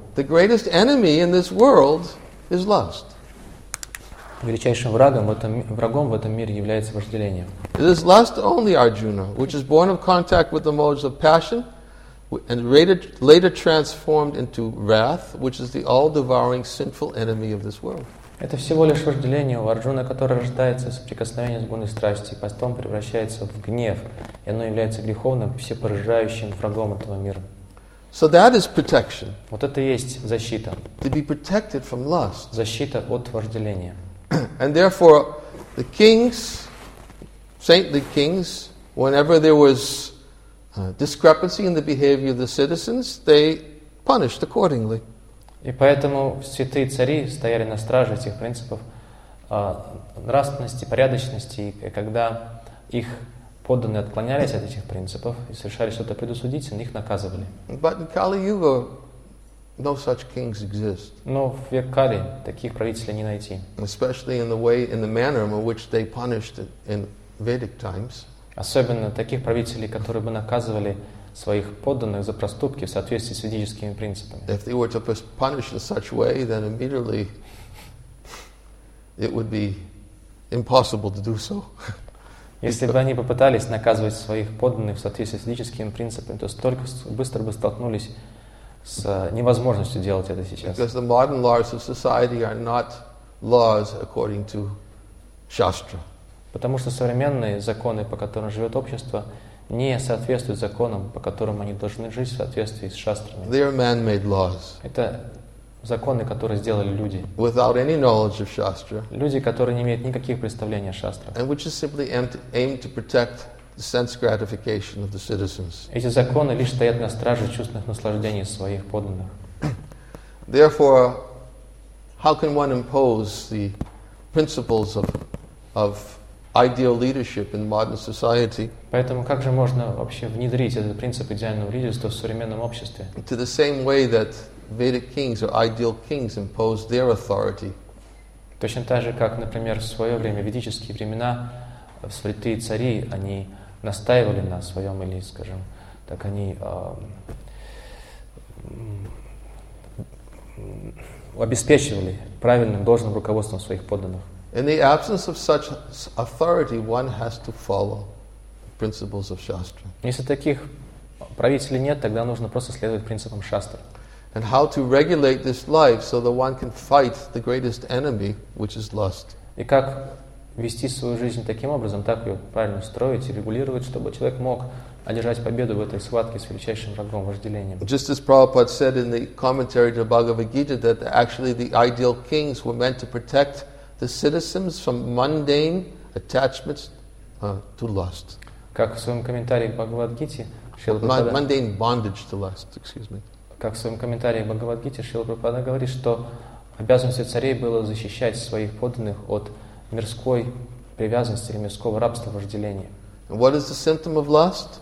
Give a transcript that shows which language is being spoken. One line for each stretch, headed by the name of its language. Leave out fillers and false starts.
English: The greatest enemy in this world is lust.
Russian: Величайшим врагом в этом, врагом в этом мире является вожделение.
English: It is lust only, Arjuna, which is born of contact with the modes of passion and later transformed into wrath, which is the all-devouring sinful enemy of this world.
Russian: Это всего лишь вожделение у Арджуны, которое рождается с прикосновением с гуной страсти, потом превращается в гнев, и оно является греховным, всепоражающим врагом этого мира.
English: So that is protection.
Russian: Вот это и есть защита.
English: To be protected from lust.
Russian: Защита от вожделения.
English: And therefore, the kings, saintly kings, whenever there was discrepancy in the behavior of the citizens, they punished accordingly.
Russian: И поэтому святые цари стояли на страже этих принципов нравственности, порядочности, и когда их подданные отклонялись от этих принципов и совершали что-то предосудительное, их наказывали.
English: But in Kali Yuga, no such kings exist.
Russian: Но в век Кали таких правителей не найти.
English: Especially in the way, in the manner in which they punished it in Vedic times.
Russian: Особенно таких правителей, которые бы наказывали своих подданных за проступки в соответствии с ведическими принципами.
English: If they were to punish in such way, then immediately it would be impossible to do so.
Russian: Если бы они попытались наказывать своих подданных в соответствии с ведическими принципами, то столько быстро бы столкнулись с невозможностью делать это сейчас.
English: Because the modern laws of society are not laws according to Shastra.
Russian: Потому что современные законы, по которым живет общество, не соответствуют законам, по которым они должны жить в соответствии с шастрами.
English: They are man-made laws.
Russian: Это законы, которые сделали люди.
English: Without any knowledge of Shastra.
Russian: Люди, которые не имеют никаких представлений о шастрах.
English: And which is simply aimed to protect the sense gratification of the citizens.
Russian: Эти законы лишь стоят на страже чувственных наслаждений своих подданных.
English: Therefore, how can one impose the principles of ideal leadership in modern society?
Russian: Поэтому как же можно вообще внедрить этот принцип идеального лидерства в современном обществе?
English: To the same way that Vedic kings or ideal kings imposed their authority.
Russian: Точно так же, как, например, в свое время, в ведические времена, в святые цари, они настаивали на своем или, скажем так, они обеспечивали правильным, должным руководством своих подданных.
English: In the absence of such authority, one has to follow the principles of Shastra.
Russian: Если таких правителей нет, тогда нужно просто следовать принципам Шастры.
English: And how to regulate this life so that one can fight the greatest enemy, which is lust.
Russian: И как вести свою жизнь таким образом, так ее правильно строить и регулировать, чтобы человек мог одержать победу в этой схватке с величайшим врагом, вожделением.
English: Just as Prabhupada said in the commentary to Bhagavad Gita, that actually the ideal kings were meant to protect the citizens from mundane attachments to lust.
Russian: Как в своем комментарии к Бхагавад Гите,
English: mundane bondage to lust, excuse me.
Russian: Как в своем комментарии к Бхагавад Гите, Шрила Прабхупада говорит, что обязанностью царей было защищать своих подданных от мирской привязанности или мирского рабства вожделения.
English: What is the symptom of lust?